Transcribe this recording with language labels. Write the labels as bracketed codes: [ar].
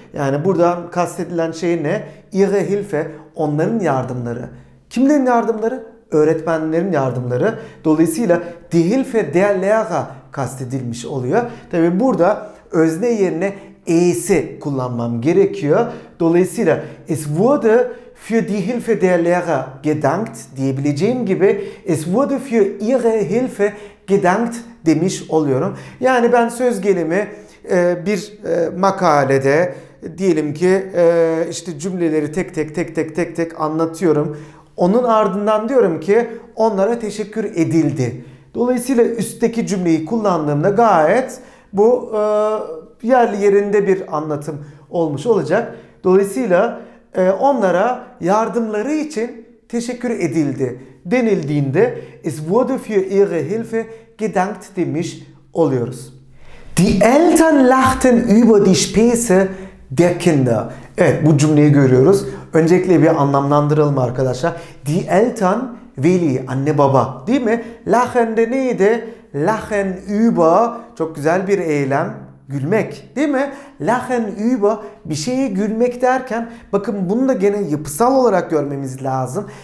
[tr] Yani burada kastedilen şey ne? [de] Ihre Hilfe, [tr] onların yardımları. Kimlerin yardımları? Öğretmenlerin yardımları. Dolayısıyla [de] die Hilfe der Lehrer [tr] kastedilmiş oluyor. Tabi burada özne yerine e'si kullanmam gerekiyor. Dolayısıyla [de] es wurde für die Hilfe der Lehrer gedankt [tr] diyebileceğim gibi [de] es wurde für ihre Hilfe gedankt [tr] demiş oluyorum. Yani ben söz gelimi bir makalede diyelim ki işte cümleleri tek tek anlatıyorum. Onun ardından diyorum ki onlara teşekkür edildi. Dolayısıyla üstteki cümleyi kullandığımda gayet bu yerli yerinde bir anlatım olmuş olacak. Dolayısıyla onlara yardımları için teşekkür edildi denildiğinde [de] es wurde für ihre Hilfe gedankt [tr] demiş oluyoruz. [de] Die Eltern lachten über die Spesse der Kinder. [tr] Evet, bu cümleyi görüyoruz. Öncelikle bir anlamlandıralım arkadaşlar. [de] Die Eltern, [tr] veli, anne baba, değil mi? Lachen de neydi? [de] Lachen über, [tr] çok güzel bir eylem. Gülmek, değil mi? [de] Lachen über, [tr] bir şeye gülmek derken, bakın bunu da gene yapısal olarak görmemiz lazım.